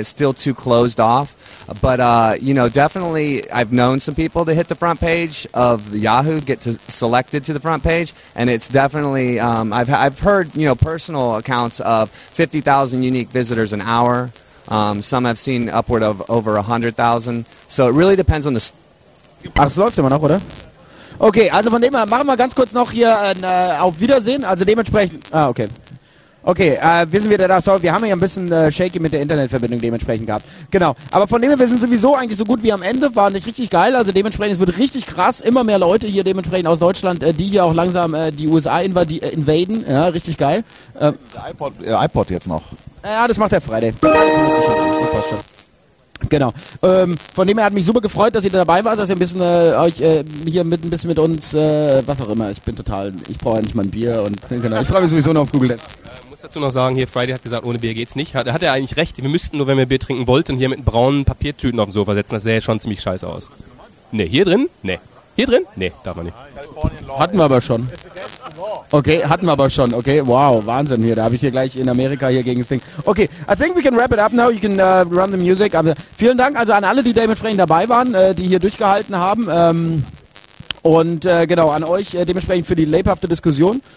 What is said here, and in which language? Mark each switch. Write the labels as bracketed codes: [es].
[en] It's still too closed off. But, you know, definitely I've known some people that hit the front page of Yahoo, get selected to the front page, and it's definitely, I've heard, you know, personal accounts of 50,000 unique visitors an hour. Some have seen upward of over 100,000. So it really depends on the... [de] Ach, es läuft immer noch, oder? Okay, also von dem her, machen wir ganz kurz noch hier ein Auf Wiedersehen. Also dementsprechend... Ah, okay. Okay, wir sind wieder da. Sorry, wir haben ja ein bisschen shaky mit der Internetverbindung dementsprechend gehabt. Genau. Aber von dem her, wir sind sowieso eigentlich so gut wie am Ende. War nicht richtig geil. Also dementsprechend, es wird richtig krass. Immer mehr Leute hier dementsprechend aus Deutschland, die hier auch langsam die USA invaden. Ja, richtig geil. Der iPod jetzt noch. Ja, das macht der Friday. Das passt schon. Genau. Von dem her hat mich super gefreut, dass ihr dabei wart, dass ihr ein bisschen euch hier mit ein bisschen mit uns, was auch immer. Ich bin total, ich brauche eigentlich mal ein Bier und genau. Ich freue mich sowieso noch auf Google. Muss dazu noch sagen, hier Friday hat gesagt, ohne Bier geht's nicht. Hat er eigentlich recht. Wir müssten nur, wenn wir Bier trinken wollten, hier mit braunen Papiertüten auf dem Sofa setzen. Das sähe schon ziemlich scheiße aus. Ne, hier drin? Ne. Hier drin? Ne, darf man nicht. Hatten wir aber schon. Okay, hatten wir aber schon. Okay, wow, Wahnsinn hier. Da habe ich hier gleich in Amerika hier gegen das Ding. [en] Okay, I think we can wrap it up now. You can run the music. [de] Aber vielen Dank also an alle, die dementsprechend dabei waren, die hier durchgehalten haben. Und genau, an euch dementsprechend für die lebhafte Diskussion.